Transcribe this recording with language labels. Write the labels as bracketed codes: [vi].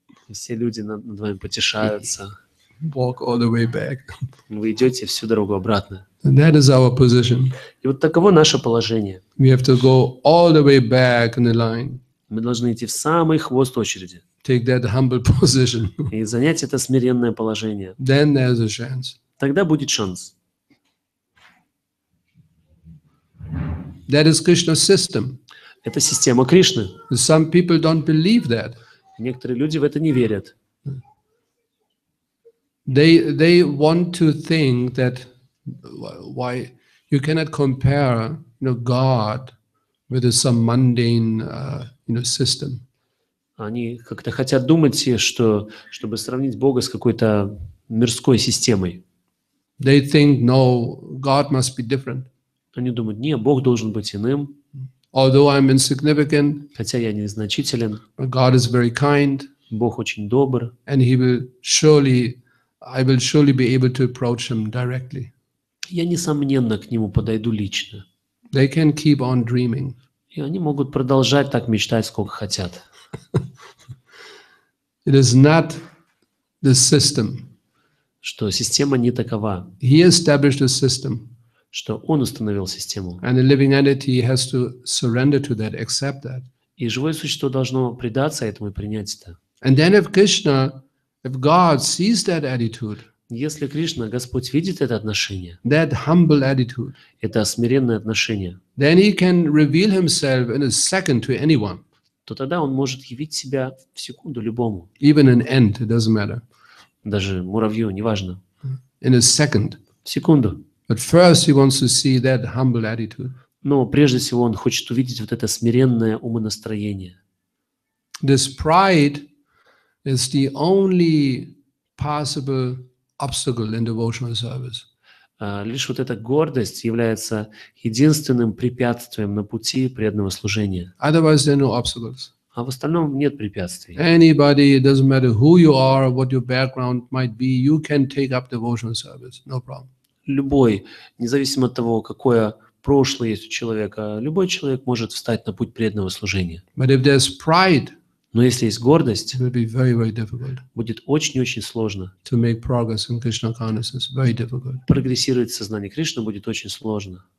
[ru] Все люди над вами потешаются. [en] Walk all the way back. [ru] Вы идете всю дорогу обратно. [en] And that is our position. [ru] И вот таково наше положение. [en] We have to go all the way back in the line. [ru] Мы должны идти в самый хвост очереди. [en] Take that humble position. [ru] И занять это смиренное положение. [en] Then there's a chance. [ru] Тогда будет шанс. [en] That is Krishna's system. [ru] Это система Кришны. [en] Some people don't believe that. [ru] Некоторые люди в это не верят. [en] They want to think that why you cannot compare, you know, God with some mundane, you know, system. [ru] Они как-то хотят думать, что чтобы сравнить Бога с какой-то мирской системой. [en] They think no, God must be different. [ru] Они думают, нет, Бог должен быть иным. [en] Although I'm insignificant, [ru] хотя я незначителен, [en] God is very kind, [ru] Бог очень добр, [en] and he will surely, I will surely be able to approach him directly. [ru] Я несомненно к нему подойду лично. [en] They can keep on dreaming. [ru] И они могут продолжать так мечтать, сколько хотят. [en] It is not the system. [ru] Что система не такова. [en] He established a system. [ru] Что он установил систему. [en] And a living entity has to surrender to that, accept that. [ru] И живое существо должно предаться этому и принять это. [en] And then if Krishna, if God sees that attitude, [ru] если Кришна, Господь видит это отношение, [en] that humble attitude, [ru] это смиренное отношение, [en] then he can reveal himself in a second to anyone. [ru] То тогда он может явить себя в секунду любому. [en] Even an ant, it doesn't matter. [ru] Даже муравью, неважно. [en] In a second. [ru] В секунду. [en] But first he wants to see that humble attitude. [ru] Но прежде всего он хочет увидеть вот это смиренное умонастроение. [en] This pride is the only possible obstacle in devotional service. [ru] Лишь вот эта гордость является единственным препятствием на пути преданного служения. [en] Otherwise there are no obstacles. [ru] А в остальном нет препятствий. [en] Anybody, it doesn't matter who you are, what your background might be, you can take up devotional service, no problem. [ru] Любой, независимо от того, какое прошлое есть у человека, любой человек может встать на путь преданного служения. [en] But if there's pride, [ru] но если есть гордость, [en] it will be very, very difficult. [ru] Будет очень-очень сложно. [en] To make progress in Krishna consciousness, very difficult. [ru] Прогрессировать в сознании Кришны будет очень сложно.